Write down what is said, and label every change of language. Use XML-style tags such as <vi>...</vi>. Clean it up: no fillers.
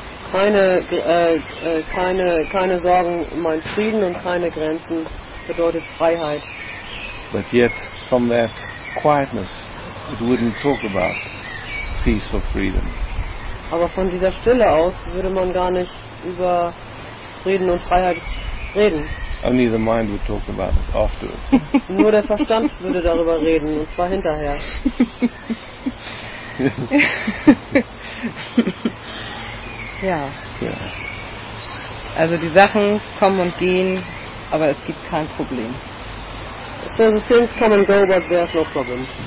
<de>Keine Sorgen meint Frieden und keine Grenzen bedeutet Freiheit.</de> <en>But yet, from that quietness, it wouldn't talk about peace or freedom.</en> <de>Aber von dieser Stille aus würde man gar nicht über Frieden und Freiheit reden.</de> <en>Only the mind would talk about it afterwards.</en> <de>Nur der Verstand würde darüber reden, und zwar hinterher. Ja. Ja. Also die Sachen kommen und gehen, aber es gibt kein Problem.</de> <en>So the things come and go, but there's no problem.</en>